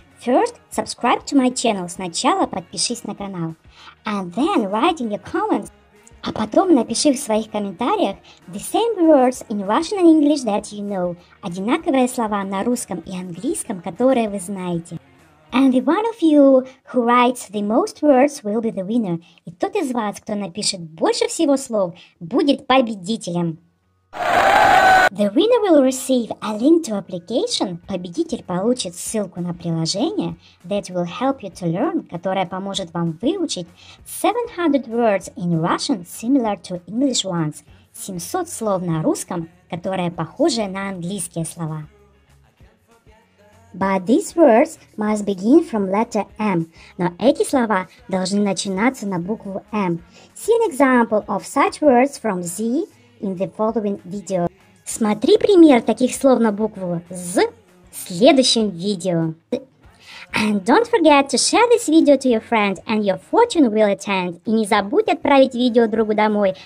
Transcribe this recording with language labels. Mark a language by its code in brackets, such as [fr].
[en] First, subscribe to my channel. [ru] Сначала подпишись на канал. [en] And then write in your comments. [ru] А потом напиши в своих комментариях [en] the same words in Russian and English that you know. [ru] Одинаковые слова на русском и английском, которые вы знаете. [en] And the one of you who writes the most words will be the winner. [ru] И тот из вас, кто напишет больше всего слов, будет победителем. [en] The winner will receive a link to application. [ru] Победитель получит ссылку на приложение [en] that will help you to learn, [ru] которое поможет вам выучить [en] 700 words in Russian similar to English ones. [ru] 700 слов на русском, которые похожи на английские слова. [en] But these words must begin from letter M. [ru] Но эти слова должны начинаться на букву M. [en] See an example of such words from Z in the following video. [ru] Смотри пример таких слов на букву З в следующем видео. [en] And don't forget to share this video to your friend and your fortune will attend. [ru] И не забудь отправить видео другу домой.